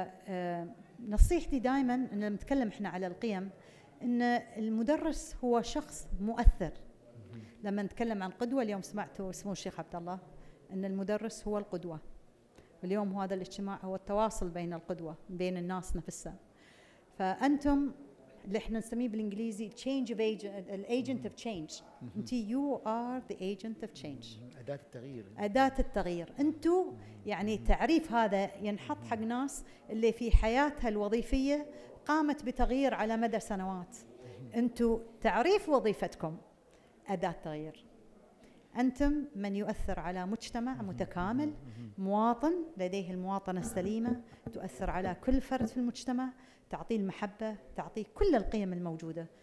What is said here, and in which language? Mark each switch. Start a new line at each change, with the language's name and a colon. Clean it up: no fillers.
Arabic: فنصيحتي دائما أن نتكلم إحنا على القيم, أن المدرس هو شخص مؤثر. لما نتكلم عن قدوة, اليوم سمعته سمو الشيخ عبد الله أن المدرس هو القدوة. اليوم هذا الاجتماع هو التواصل بين القدوة بين الناس نفسها. فأنتم اللي احنا نسميه بالانجليزي
English: change of agent, the agent of change.
Arabic: انت
English: you are the agent of change,
Arabic: أداة التغيير. انتو يعني تعريف هذا ينحط حق ناس اللي في حياتها الوظيفية قامت بتغيير على مدى سنوات. انتو تعريف وظيفتكم أداة تغيير. انتم من يؤثر على مجتمع متكامل, مواطن لديه المواطنة السليمة, تؤثر على كل فرد في المجتمع, تعطيه المحبة, تعطيه كل القيم الموجودة.